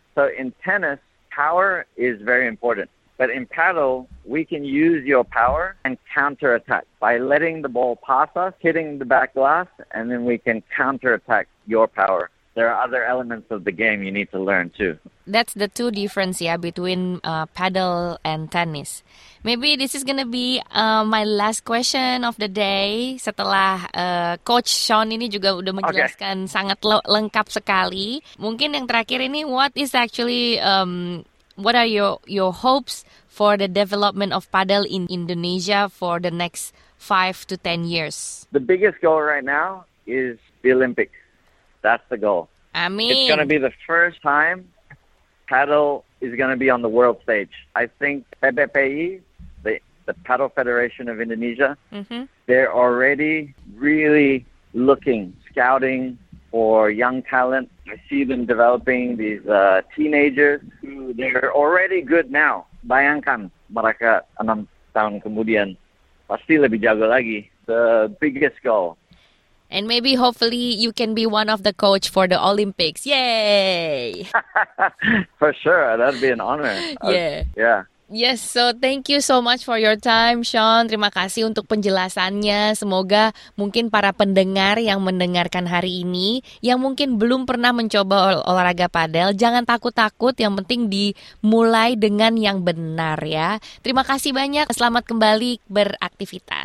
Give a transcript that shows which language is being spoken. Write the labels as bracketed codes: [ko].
[en] So in tennis, power is very important. But in paddle, we can use your power and counterattack by letting the ball pass us, hitting the back glass, and then we can counterattack your power. There are other elements of the game you need to learn too. That's the two difference, yeah, between paddle and tennis. Maybe this is going to be my last question of the day. [id] Setelah Coach Sean ini juga udah menjelaskan sangat lengkap sekali. Mungkin yang terakhir ini, [en] what is actually, what are your hopes for the development of paddle in Indonesia for the next 5 to 10 years? The biggest goal right now is the Olympics. That's the goal. It's going to be the first time paddle is going to be on the world stage. I think PBPI, the Paddle Federation of Indonesia, they're already really looking, scouting for young talent. I see them developing these teenagers. They're already good now. [id] Bayangkan mereka 6 tahun kemudian pasti lebih jago lagi. [en] The biggest goal And maybe hopefully you can be one of the coach for the Olympics. Yay! For sure. That'd be an honor. Yeah. Yeah. Yes, so thank you so much for your time, Sean. [id] Terima kasih untuk penjelasannya. Semoga mungkin para pendengar yang mendengarkan hari ini, yang mungkin belum pernah mencoba olahraga padel, jangan takut-takut, yang penting dimulai dengan yang benar ya. Terima kasih banyak, selamat kembali beraktivitas.